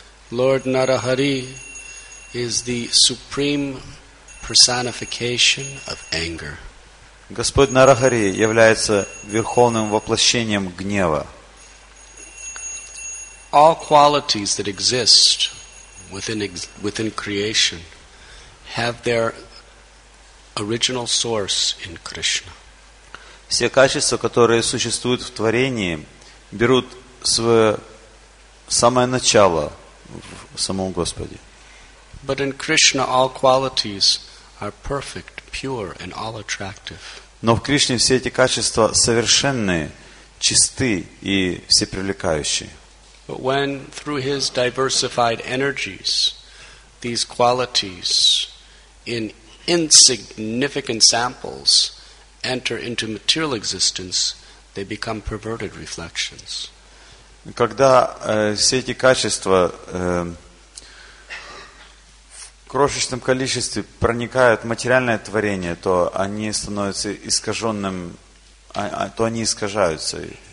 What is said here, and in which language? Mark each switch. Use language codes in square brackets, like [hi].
[en] Lord Narahari is the supreme personification of anger. [ru] Господь Нарахари является верховным воплощением гнева. [en] All qualities that exist within creation have their original source in Krishna. [ru] Все качества, которые существуют в творении, берут свое самое начало в самом Господе. [en] But in Krishna all qualities are perfect, pure and all attractive. [ru] Но в Кришне все эти качества совершенные, чисты и всепривлекающие. [en] But when through his diversified energies these qualities in insignificant samples enter into material existence, they become perverted reflections. [ru] Когда все эти качества в крошечном количестве проникают в материальное творение, то они становятся искаженным, то они искажаются.